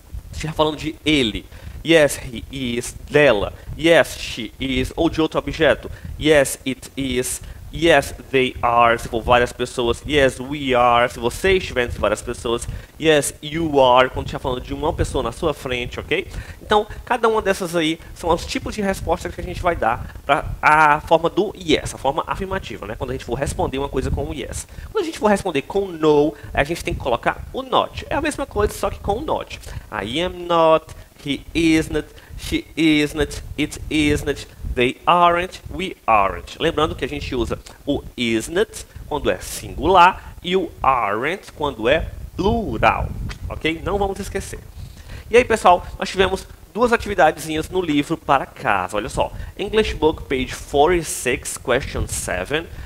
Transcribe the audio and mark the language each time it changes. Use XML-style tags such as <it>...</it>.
<pt>Se estiver falando de ele,</pt> <en>yes, he is,</en> <pt>dela,</pt> <en>yes, she is,</en> <pt>ou de outro objeto,</pt> <en>yes, it is, yes, they are,</en> <pt>se for várias pessoas,</pt> <en>yes, we are,</en> <pt>se você estiver entre várias pessoas,</pt> <en>yes, you are,</en> <pt>quando estiver falando de uma pessoa na sua frente, ok? Então, cada uma dessas aí são os tipos de respostas que a gente vai dar para a forma do yes, a forma afirmativa, né? Quando a gente for responder uma coisa com o yes. Quando a gente for responder com no, a gente tem que colocar o not. É a mesma coisa, só que com o not.</pt> <en>I am not, he isn't, she isn't, it isn't, they aren't, we aren't.</en> <pt>Lembrando que a gente usa o isn't quando é singular e o aren't quando é plural, ok? Não vamos esquecer. E aí, pessoal, nós tivemos duas atividadezinhas no livro para casa. Olha só.</pt> <en>English book page 46, question 7.</en>